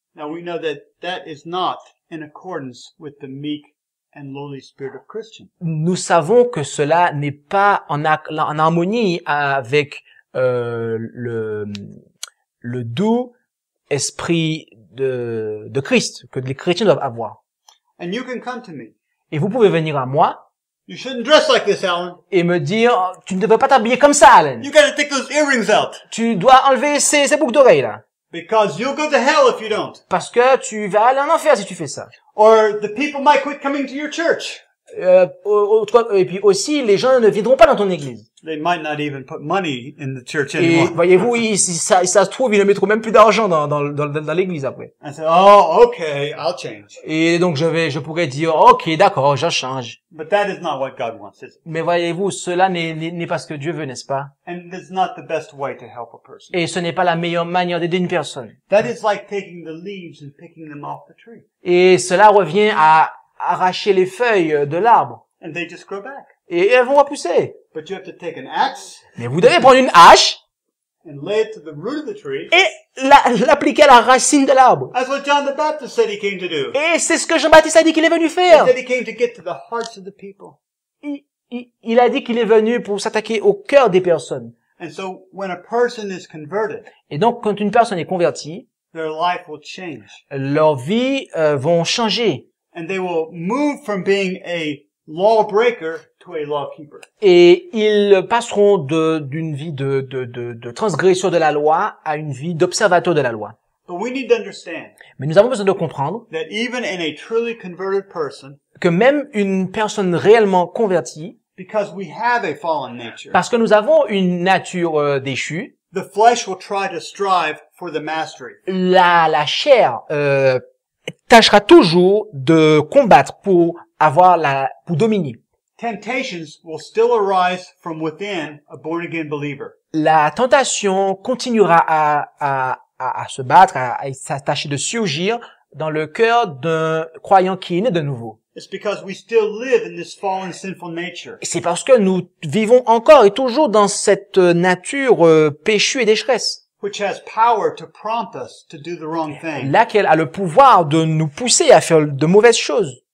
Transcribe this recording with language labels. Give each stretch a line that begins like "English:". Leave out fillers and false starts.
English: Now we know that is not in accordance with the meek and lowly spirit of Christian.
French: Nous savons que cela n'est pas en harmonie avec le doux esprit de Christ que les chrétiens doivent avoir.
English: And you can come to me.
French: Et vous pouvez venir à moi.
English: You shouldn't dress like this, Alan.
French: Et me dire, oh, tu ne devrais pas t'habiller comme ça, Alan.
English: You gotta take those earrings out.
French: Tu dois enlever ces boucles d'oreilles là.
English: Because you'll go to hell if you don't.
French: Parce que tu vas aller en enfer si tu fais ça.
English: Or the people might quit coming to your church.
French: Et puis aussi, les gens ne viendront pas dans ton église.
English: They might not even put money in the church anymore.
French: Et voyez-vous, ça se trouve, ils ne mettront même plus d'argent dans l'église après.
English: I said, oh, okay, I'll change.
French: Et donc je pourrais dire, okay, d'accord, je change.
English: But that is not what God wants, is it?
French: Mais voyez-vous, cela n'est pas ce que Dieu veut, n'est-ce pas?
English: And it's not the best way to help a person.
French: Et ce n'est pas la meilleure manière d'aider une personne.
English: That is like taking the leaves and picking them off the tree.
French: Et cela revient à arracher les feuilles de l'arbre.
English: And they just grow back.
French: Et elles vont repousser.
English: But you have to take an axe.
French: Mais vous devez prendre une hache.
English: And lay it to the root of the tree.
French: Et l'appliquer à la racine de l'arbre.
English: That's what John the Baptist said he came to do.
French: Et c'est ce que Jean-Baptiste a dit qu'il est venu faire.
English: He said he came to get to the hearts of the people.
French: Il a dit qu'il est venu pour s'attaquer au cœur des personnes.
English: And so when a person is converted.
French: Et donc quand une personne est convertie.
English: Their life will change.
French: Leur vie vont changer.
English: And they will move from being a lawbreaker to a lawkeeper.
French: Et ils passeront de d'une vie de transgresseur de la loi à une vie d'observateur de la loi.
English: But we need to understand.
French: Mais nous avons besoin de comprendre
English: that even in a truly converted person,
French: que même une personne réellement convertie,
English: because we have a fallen nature,
French: parce que nous avons une nature déchue,
English: the flesh will try to strive for the mastery.
French: La chair tâchera toujours de combattre pour avoir la pour dominer.
English: Temptations will still arise from within a born again believer.
French: La tentation continuera à se battre, à s'attacher de surgir dans le cœur d'un croyant qui est né de nouveau.
English: It's because we still live in this fallen, sinful nature.
French: C'est parce que nous vivons encore et toujours dans cette nature péchue et décheresse.
English: Which has power to prompt us to do the wrong thing.
French: Laquelle a le pouvoir de nous pousser à faire de mauvaises choses.